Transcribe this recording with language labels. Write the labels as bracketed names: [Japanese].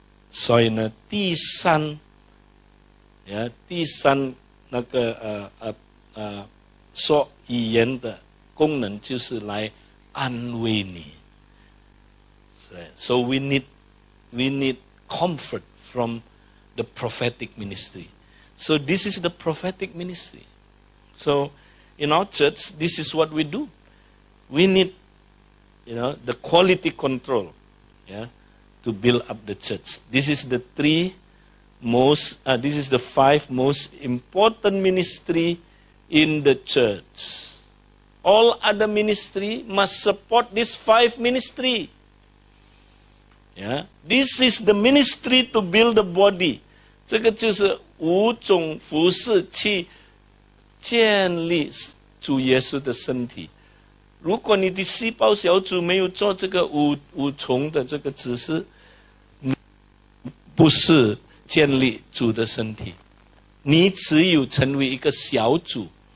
[Chinese] 所以呢，第三那个说语言的功能就是来安慰你。 [English] So we need comfort from the prophetic ministry. So this is the prophetic ministry. So in our church, this is what we do. We need, you know, the quality control, yeah, to build up the church. This is the five most important ministry in the church. All other ministry must support these five ministry. Yeah, this is the ministry to build the body. [Chinese] 这个就是五种服事去建立主耶稣的身体。如果你的细胞小组没有做这个五重的这个指示，不是建立主的身体，你只有成为一个小组。